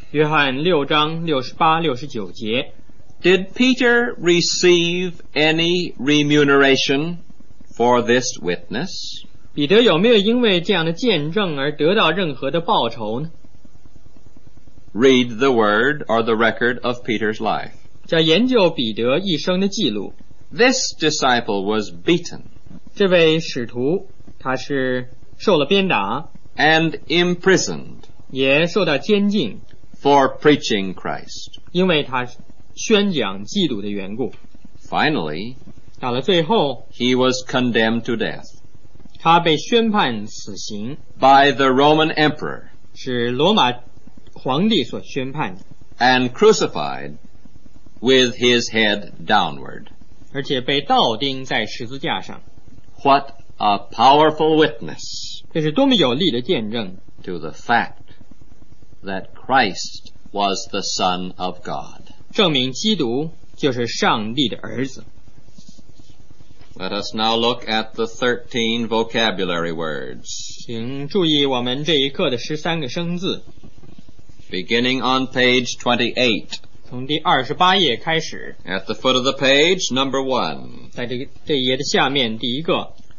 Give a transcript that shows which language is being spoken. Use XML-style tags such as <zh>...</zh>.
<zh>约翰六章六十八、六十九节。</zh> <en>Did Peter receive any remuneration? For this witness,</en> <zh>彼得有没有因为这样的见证而得到任何的报酬呢?</zh> <en>Read the word or the record of Peter's life.</en> <zh>叫研究彼得一生的记录。</zh> <en>This disciple was beaten.</en> <zh>这位使徒他是受了鞭打。</zh> <en>And imprisoned.</en> <zh>也受到监禁。</zh> <en>For preaching Christ.</en> <zh>因为他宣讲基督的缘故。</zh> <en>Finally,</en> <zh>到了最后</zh> <en>He was condemned to death</en> <zh>他被宣判死刑</zh> <en>By the Roman Emperor</en> <zh>是罗马皇帝所宣判的</zh> <en>And crucified with his head downward</en> <zh>而且被倒钉在十字架上</zh> <en>What a powerful witness.</en> <zh>这是多么有力的见证。</zh> <en>To the fact that Christ was the Son of God.</en> <zh>证明基督就是上帝的儿子。</zh> <en>Let us now look at the 13 vocabulary words.</en> <zh>请注意我们这一课的13个生字。</zh> <en>Beginning on page 28.</en> <zh>从第28页开始。</zh> <en>At the foot of the page, number 1.</en> <zh>在这一页的下面第一个。</zh>